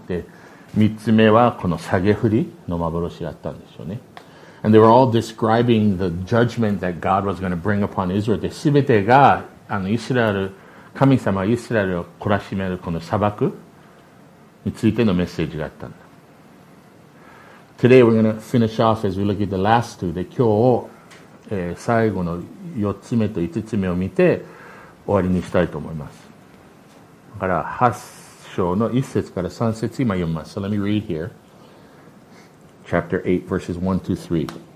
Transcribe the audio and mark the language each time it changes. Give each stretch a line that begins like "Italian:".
Japanese: で、3つ目はこの下げ振りの幻だったんですよね。
English: And they were all describing the judgment that God was going to bring upon Israel.
Japanese: で、すべてが、イスラエル、神様はイスラエルを懲らしめるこの砂漠についてのメッセージがあったんだ。
English: Today we're going to finish off as we look at the last two.
Japanese: で、今日、最後の4つ目と5つ目を見て終わりにしたいと思います。だから8章の1節から3節今読みます。
English: So let me read here. Chapter 8, verses 1 to 3.